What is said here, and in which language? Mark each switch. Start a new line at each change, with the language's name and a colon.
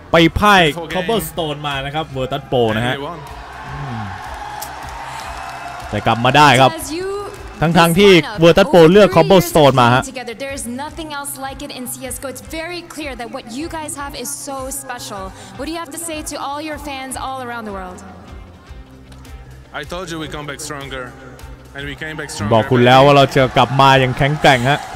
Thai: ไปพ่ายCobblestone มานะครับ Virtus Pro นะฮะแต่กลับมาได้ครับทั้งๆที่เวอร์ตัสโปรเลือกคอมโบสโตนมาฮะ
English: There's nothing else like it in CS:GO. It's very clear that what you guys have is so special. What do you have to say to all your fans all around the world? I told you we come back stronger, and we came back stronger.
Thai: บอกคุณแล้วว่าเราจะกลับมาอย่างแข็งแกร่งฮะ